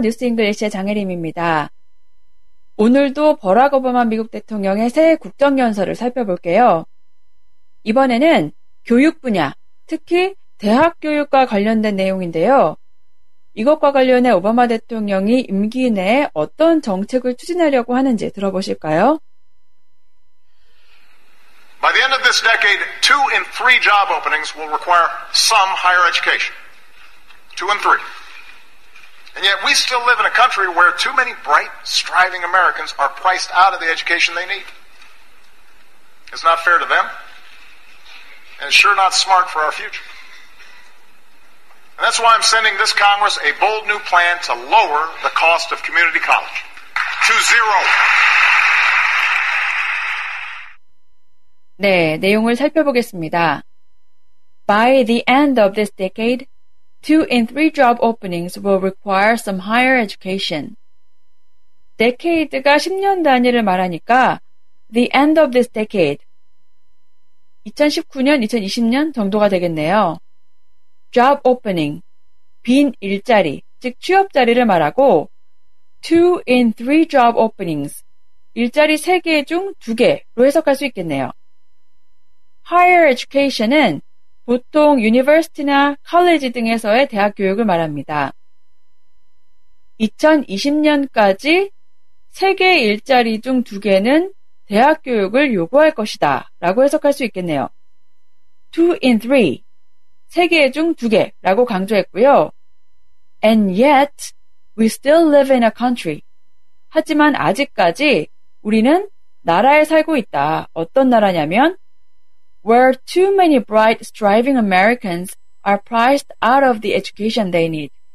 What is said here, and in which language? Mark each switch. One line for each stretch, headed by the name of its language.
Korean: 뉴스 잉글리시의 장혜림입니다. 오늘도 버락 오바마 미국 대통령의 새해 국정연설을 살펴볼게요. 이번에는 교육 분야, 특히 대학 교육과 관련된 내용인데요. 이것과 관련해 오바마 대통령이 임기 내에 어떤 정책을 추진하려고 하는지 들어보실까요?
English: By the end of this decade, 2 in 3 job openings will require some higher education. 2 in 3. And yet we still live in a country where too many bright, striving Americans are priced out of the education they need. It's not fair to them, and it's sure not smart for our future. And that's why I'm sending this Congress a bold new plan to lower the cost of community college to zero.
Korean: 네, 내용을 살펴보겠습니다.
English: By the end of this decade, 2 in 3 job openings will require some higher education.
Korean: Decade가 10년 단위를 말하니까
English: the end of this decade,
Korean: 2019년, 2020년 정도가 되겠네요. Job opening, 빈 일자리, 즉 취업자리를 말하고
English: 2 in 3 job openings,
Korean: 일자리 3개 중 2개로 해석할 수 있겠네요. Higher education은 보통 유니버시티나 칼리지 등에서의 대학 교육을 말합니다. 2020년까지 3개 일자리 중 2개는 대학 교육을 요구할 것이다 라고 해석할 수 있겠네요. 2 in 3, 3개 중 2개라고 강조했고요.
English: And yet, we still live in a country.
Korean: 하지만 아직까지 우리는 나라에 살고 있다. 어떤 나라냐면
English: where too many bright, striving Americans are priced out of the education they need.